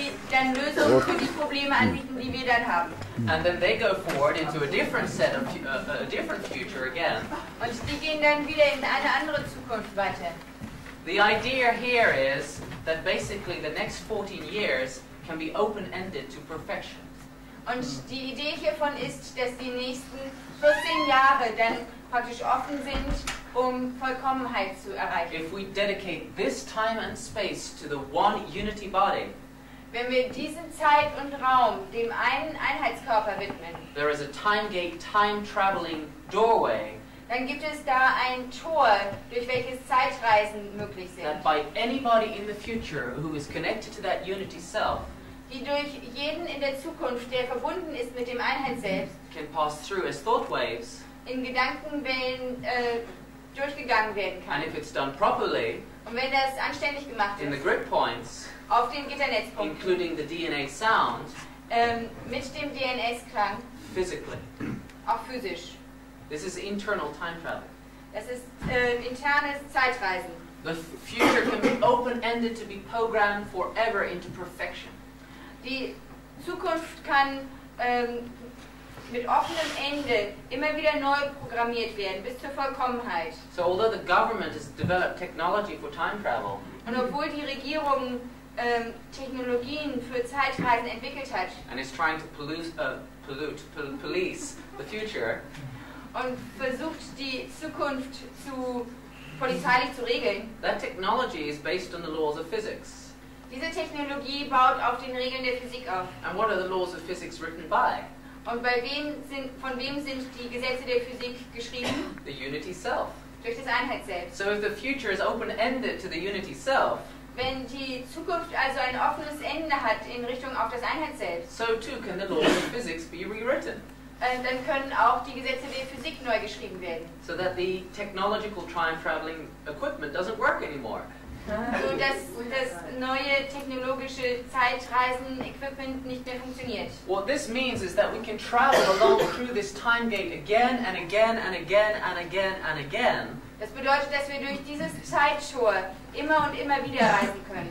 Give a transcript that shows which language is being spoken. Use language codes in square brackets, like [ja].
[de] Dann Lösungen für die Probleme anbieten, die wir dann haben. [en] And then they go forward into a different set of a different future again. [de] Und die gehen dann wieder in eine andere Zukunft weiter. [en] The idea here is that basically the next 14 years can be open-ended to perfection. [de] Und die Idee hiervon ist, dass die nächsten 14 Jahre dann praktisch offen sind, um Vollkommenheit zu erreichen. [en] If we dedicate this time and space to the one unity body. [de] Wenn wir diesen Zeit und Raum dem einen Einheitskörper widmen, [en] there is a time gate, time traveling doorway, [de] dann gibt es da ein Tor, durch welches Zeitreisen möglich sind. [en] That by anybody in the future who is connected to that unity self, [de] die durch jeden in der Zukunft, der verbunden ist mit dem Einheit selbst, [en] can pass through as thought waves, [de] in Gedankenwellen durchgegangen werden kann. [en] And if it's done properly, [de] und wenn das anständig gemacht [en] in the grid points, [de] auf den Gitternetzpunkten, [en] including the DNA sound, [de] mit dem DNS-Klang, [en] physically, [de] auch physisch. [en] This is internal time travel. [de] Das ist internes Zeitreisen. [en] The future can be open-ended to be programmed forever into perfection. [de] Die Zukunft kann mit offenem Ende immer wieder neu programmiert werden, bis zur Vollkommenheit. [en] So although the government has developed technology for time travel, [de] und obwohl die Regierung Technologien für Zeitreisen entwickelt hat, [en] and is trying to police the future, [de] und versucht die Zukunft zu polizeilich zu regeln, [en] that technology is based on the laws of physics. [de] Diese Technologie baut auf den Regeln der Physik auf. [en] And what are the laws of physics written by? [de] Und bei wem sind, von wem sind die Gesetze der Physik geschrieben? [en] The unity self. [de] Durch das Einheit selbst. [en] So if the future is open-ended to the unity self, [de] wenn die Zukunft also ein offenes Ende hat in Richtung auf das Einheit selbst, [en] so too can the laws of physics be rewritten. [de] Dann können auch die Gesetze der Physik neu geschrieben werden. [en] So that the technological time traveling equipment doesn't work anymore. [de] So dass das neue technologische Zeitreisen-Equipment nicht mehr funktioniert. [en] What this means is that we can travel along through this time gate again and again and again and again and again. [de] Das bedeutet, dass wir durch dieses Zeittor immer und immer wieder reisen können.